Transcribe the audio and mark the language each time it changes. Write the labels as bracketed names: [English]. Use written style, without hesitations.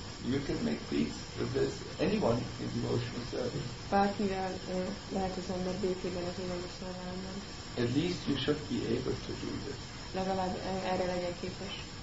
[English] You can make peace with this. Anyone in devotional service. [Hungarian] Bárkivel lehet az ember békében az odaadó szolgálatban. [English] At least you should be able to do this. [Hungarian] Legalább erre legyen képes.